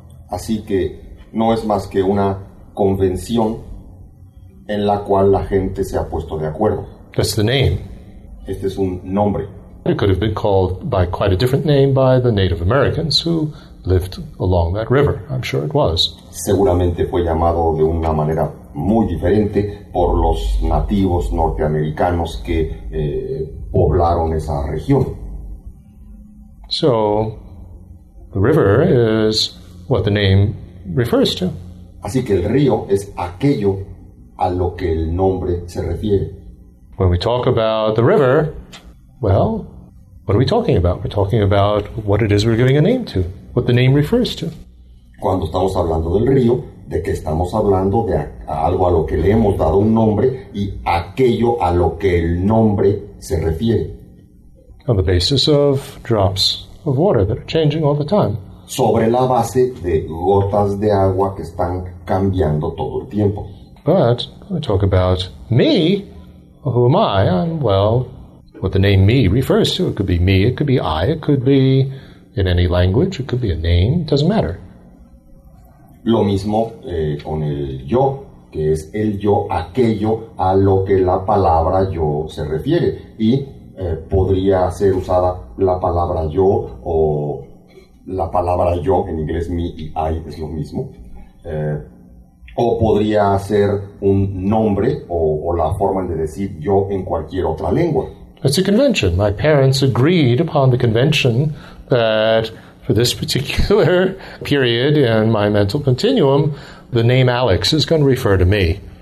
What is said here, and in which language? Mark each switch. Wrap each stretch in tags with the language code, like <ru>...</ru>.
<es>Así que no es más que una convención en la cual la gente se ha puesto de acuerdo.</es> <en>That's the name.</en> <es>Este es un nombre.</es> <en>It could have been called by quite a different name by the Native Americans who lived along that river. I'm sure it was.</en> <es>Seguramente fue llamado de una manera muy diferente por los nativos norteamericanos que poblaron esa región.</es> <en>So, the river is what the name refers to.</en> <es>Así que el río es aquello a lo que el nombre se refiere.</es> <en>When we talk about the river, well, what are we talking about? We're talking about what it is we're giving a name to, what the name refers to.</en> <es>Cuando estamos hablando del río, de que estamos hablando de algo a lo que le hemos dado un nombre y aquello a lo que el nombre se refiere.</es> <en>On the basis of drops of water that are changing all the time.</en> <es>Sobre la base de gotas de agua que están cambiando todo el tiempo.</es> <en>But when we talk about me, well, who am I? I'm, well, what the name me refers to. It could be me, it could be I, it could be in any language, it could be a name, it doesn't matter.</en> <es>Lo mismo con el yo, que es el yo, aquello a lo que la palabra yo se refiere. Y podría ser usada la palabra yo o la palabra yo, en inglés me y I es lo mismo. O podría ser un nombre o la forma de decir yo en cualquier otra lengua.</es> <en>It's a convention. My parents agreed upon the convention that for this particular period in my mental continuum, the name Alex is going to refer to me.</en>